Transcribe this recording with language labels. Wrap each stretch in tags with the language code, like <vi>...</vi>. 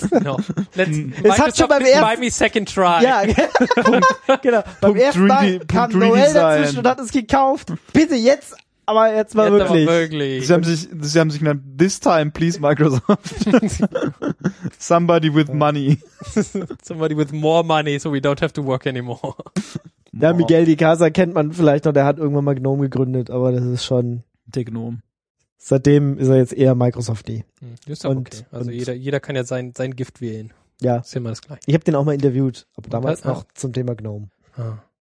<en>No.</en> <de>Es hat schon beim ersten.</de> <en>Buy me second try.</en> <de>Ja, genau. Beim ersten Mal kam Noel dazwischen und hat es gekauft. Bitte jetzt, aber jetzt mal wirklich. Sie haben sich genannt,</de> <en>this time, please Microsoft. Somebody with money. Somebody with more money, so we don't have to work anymore.</en> <de>Ja, Miguel de Icaza kennt man vielleicht noch, der hat irgendwann mal Gnome gegründet, aber das ist schon. Der Gnome. Seitdem ist er jetzt eher Microsoft-y. Das ist und, okay. Also jeder kann ja sein Gift wählen. Ja. Ist immer das Gleiche. Ich habe den auch mal interviewt, aber damals noch zum Thema Gnome. Ah.</de>